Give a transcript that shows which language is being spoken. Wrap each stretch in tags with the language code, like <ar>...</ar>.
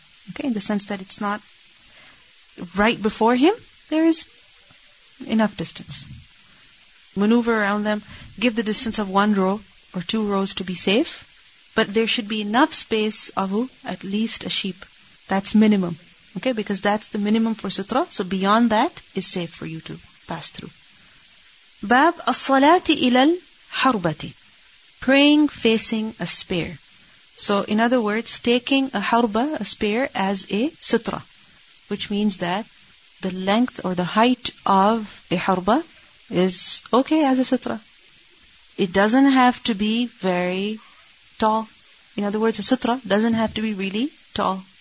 <en>Okay, in the sense that it's not right before him, there is enough distance. Maneuver around them, give the distance of 1 row or 2 rows to be safe, but there should be enough space of at least a sheep. That's minimum. Okay, because that's the minimum for sutra, so beyond that is safe for you to pass through.</en> <ar>باب الصلاة إلى الحربة,</ar> <en>praying facing a spear. So in other words, taking a harba, a spear, as a sutra, which means that the length or the height of a harba is okay as a sutra. It doesn't have to be very tall. In other words, a sutra doesn't have to be really tall.</en>